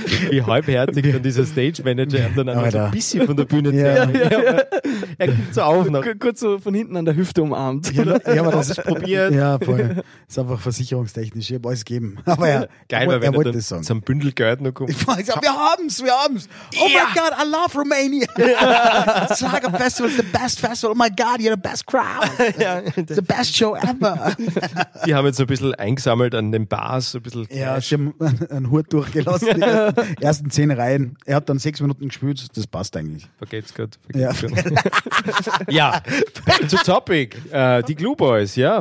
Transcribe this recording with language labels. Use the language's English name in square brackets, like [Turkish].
[German] Wie halbherzig kann dieser Stage-Manager dann einmal so ein bisschen von der Bühne zählen. Er kommt so auf. Kurz so von hinten an der Hüfte umarmt. Ich habe das probiert. Ja, voll. Ist einfach versicherungstechnisch. Ich habe alles gegeben. Aber ja, geil, weil wenn er dann so ein Bündel Geld noch kommt. Wir haben es. Oh mein Gott, [English] I love Romania. Slager Festival is the best festival. Oh my God, you're the best crowd. It's the best show ever. [German] Die haben jetzt so ein bisschen eingesammelt an den Bars. So ein bisschen Cash. Ja, sie haben einen Hut durchgelassen, die ersten 10 Reihen. Er hat dann 6 Minuten gespielt, das passt eigentlich. Vergeht's gut. Ja, [English] back to topic. [German] Die Clue Boys, ja.